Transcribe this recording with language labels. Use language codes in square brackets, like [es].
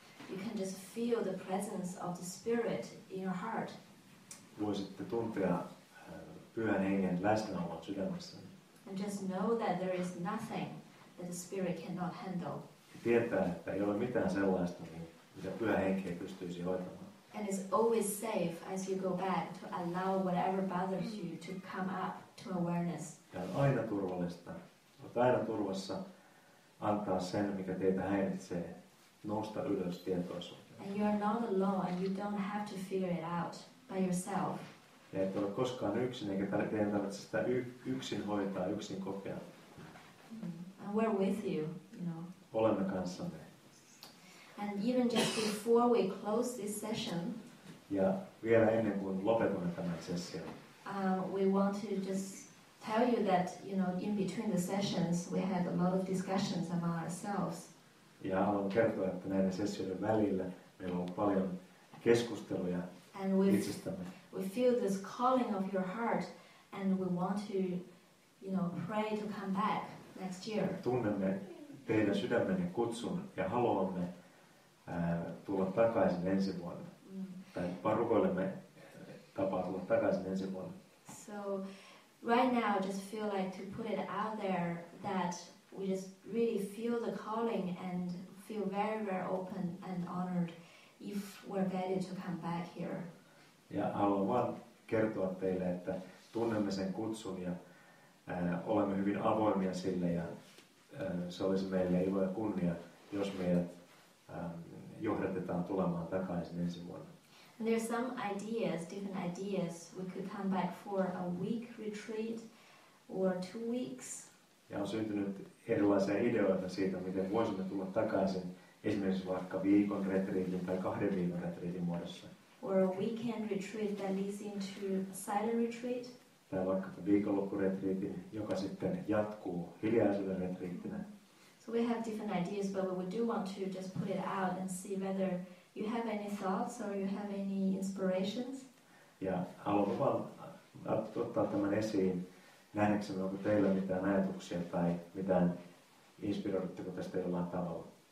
[en] You can just feel the presence of the Spirit in your heart. [fi] Voisitte tuntea Pyhän Hengen läsnäolon sydämessäni. [en] And just know that there is nothing that the Spirit cannot handle. [fi] Tietää, että ei ole mitään sellaista, mitä Pyhä Henki ei pystyisi hoitamaan. [en] And it's always safe as you go back to allow whatever bothers you to come up to awareness. [fi] Ja on aina turvallista. Olet aina turvassa antaa sen, mikä teitä häiritsee, nousta ylös tietoisuuteen. [en] And you are not alone and you don't have to figure it out by yourself. [fi] Ja et ole koskaan yksin, eikä teidän tarvitse sitä yksin hoitaa, yksin kokea. [en] And we're with you, you know. [fi] Olemme kanssanne. [en] And even just before we close this session, [fi] ja vielä ennen kuin lopetamme tämän session, [en] we want to just tell you that, you know, in between the sessions, we had a lot of discussions among ourselves. [fi] Ja haluan kertoa, että näiden sessioiden välillä meillä on paljon keskusteluja itsestämme. [en] We feel this calling of your heart, and we want to, you know, pray to come back next year. [fi] Tunnemme teidän sydämenne kutsun ja haluamme tulla takaisin ensi vuonna. Tai rukoilemme tapaa tulla takaisin ensi vuonna. [en] So right now I just feel like to put it out there that we just really feel the calling and feel very, very open and honored if we're ready to come back here. [fi] Ja haluan vaan kertoa teille, että tunnemme sen kutsun ja olemme hyvin avoimia sille ja se olisi meille ilo ja kunnia, jos meidät johdatetaan tulemaan takaisin ensi vuonna. [en] And there are some ideas, different ideas. We could come back for a week retreat or 2 weeks. [fi] Ja on syntynyt erilaisia ideoita siitä, miten voisimme tulla takaisin esimerkiksi vaikka viikon retriitin tai kahden viikon retriitin muodossa. [en] Or a weekend retreat that leads into a silent retreat. [fi] Tai vaikka viikonloppuretriitin, joka sitten jatkuu hiljaisuuden retriittinä. [en] So we have different ideas, but we do want to just put it out and see whether you have any thoughts or you have any inspirations. [fi] Ja haluan vaan ottaa tämän esiin, nähdäksemme, onko teillä mitään ajatuksia tai mitään inspiroidutteko tästä jollain tavalla.